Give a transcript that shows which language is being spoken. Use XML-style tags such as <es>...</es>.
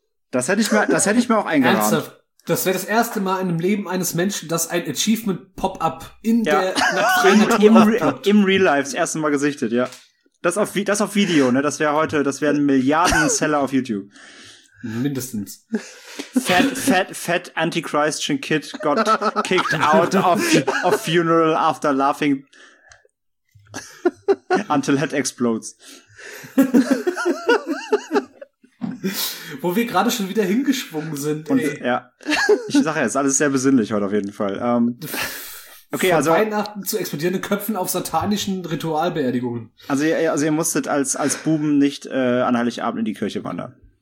<de>Das hätte ich mir auch eingeladen. Ernsthaft? Das wäre das erste Mal in dem Leben eines Menschen, dass ein Achievement-Pop-up in der Natur im Real Life das erste Mal gesichtet, ja. Das auf Video, ne? Das wären Milliarden-Seller auf YouTube. Mindestens.</de> <en>Fat Antichristian Kid got kicked out of funeral after laughing until head explodes.</en> <de>Wo wir gerade schon wieder hingeschwungen sind. Und, ja. Ich sage ja, es ist alles sehr besinnlich heute auf jeden Fall. Okay, von Weihnachten zu explodierenden Köpfen auf satanischen Ritualbeerdigungen. Also ihr musstet als Buben nicht an Heiligabend in die Kirche wandern.</de>